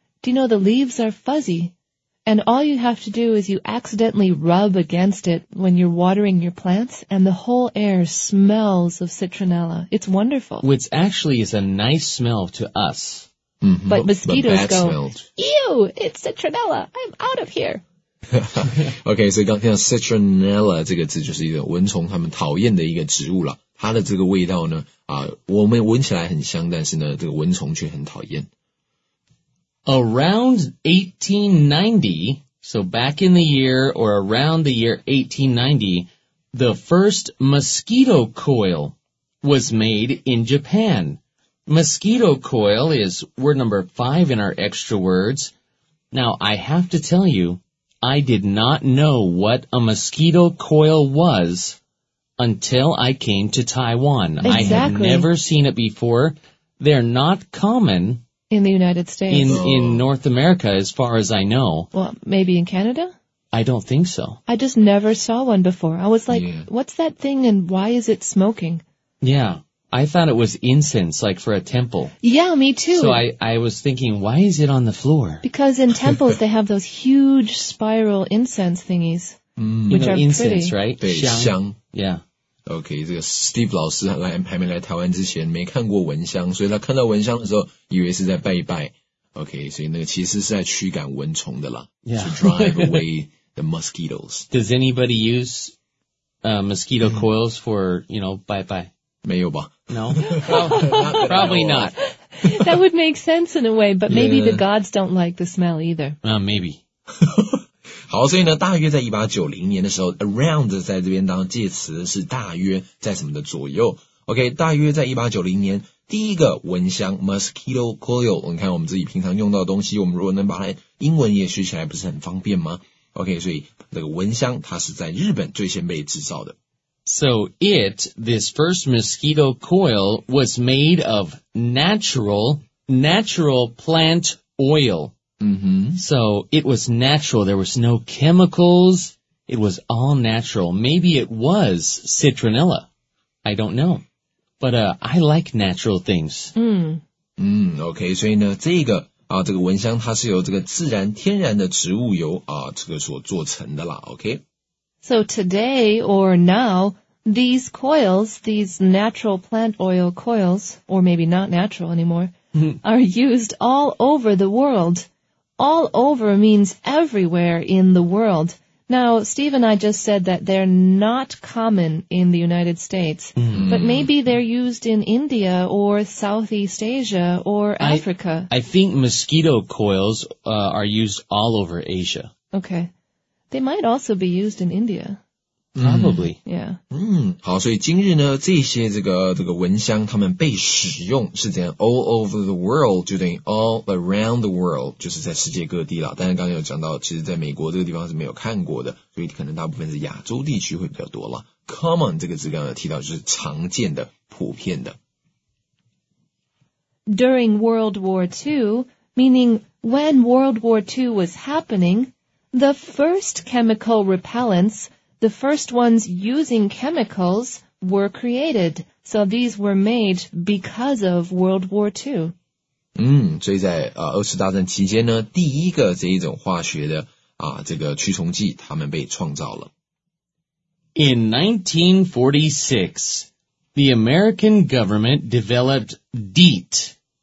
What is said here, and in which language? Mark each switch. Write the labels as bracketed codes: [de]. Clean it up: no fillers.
[en] Do you know the leaves are fuzzy? And all you have to do is you accidentally rub against it when you're watering your plants, and the whole air smells of citronella. It's wonderful. Which actually is a nice smell to us. Mm-hmm. But mosquitoes go, ew, it's citronella. I'm out of here. [zh] OK, 所以刚听到 citronella 这个字就是一个蚊虫他们讨厌的一个植物啦。它的这个味道呢我们闻起来很香，但是呢这个蚊虫却很讨厌。 [en] Around 1890, so back in the year or around the year 1890, the first mosquito coil was made in Japan. Mosquito coil is word number five in our extra words. Now, I have to tell you,I did not know what a mosquito coil was until I came to Taiwan. Exactly. I had never seen it before. They're not common. In the United States. In North America, as far as I know. Well, maybe in Canada? I don't think so. I just never saw one before. I was like, what's that thing and why is it smoking? Yeah. I thought it was incense, like for a temple. Yeah, me too. So I was thinking, why is it on the floor? Because in temples, they have those huge spiral incense thingies, which are incense, pretty. Incense, right? [zh] 对，香。 [en] Yeah. [zh] Okay, 这个 Steve 老师还没来台湾之前没看过蚊香，所以他看到蚊香的时候以为是在拜一拜。 Okay, 所以那个其实是在驱赶蚊虫的啦。 [en] Yeah. To drive away the mosquitoes. Does anybody use mosquito coils for, bye-bye? [zh] 没有吧 [en] No, probably not. That would make sense in a way, but maybe the gods don't like the smell either. Maybe. [zh] 好，所以呢，大约在1890年的时候 ，around 在这边当介词是大约在什么的左右。 OK, 大约在1890年第一个蚊香 Mosquito Coil, 你看我们自己平常用到的东西，我们如果能把它英文也学起来不是很方便吗？ OK, 所以这个蚊香它是在日本最先被制造的。 [en] So it, this first mosquito coil, was made of natural plant oil. Mm-hmm. So it was natural. There was no chemicals. It was all natural. Maybe it was citronella. I don't know. But, I like natural things. Mm. Okay, 所以呢这个啊这个蚊香它是由这个自然天然的植物油啊这个所做成的啦 okay? So today or now, these coils, these natural plant oil coils, or maybe not natural anymore, are used all over the world. All over means everywhere in the world. Now, Steve and I just said that they're not common in the United States, but maybe they're used in India or Southeast Asia or Africa. I think mosquito coils, are used all over Asia. Okay. They might also be used in India. Probably. Yeah. [zh] 好所以今日呢这些这个蚊香它们被使用是怎样 [en] all over the world, [zh] 就等于 [en] all around the world, [zh] 就是在世界各地啦。但是刚才有讲到其实在美国这个地方是没有看过的所以可能大部分是亚洲地区会比较多啦。 Common 这个字刚才提到就是常见的普遍的。 [en] During World War II, meaning when World War II was happening,The first chemical repellents, the first ones using chemicals, were created. So these were made because of World War II. [zh] 所以在二次大战期间呢，第一个这一种化学的啊这个驱虫剂，它们被创造了。 [en] In 1946, the American government developed DEET.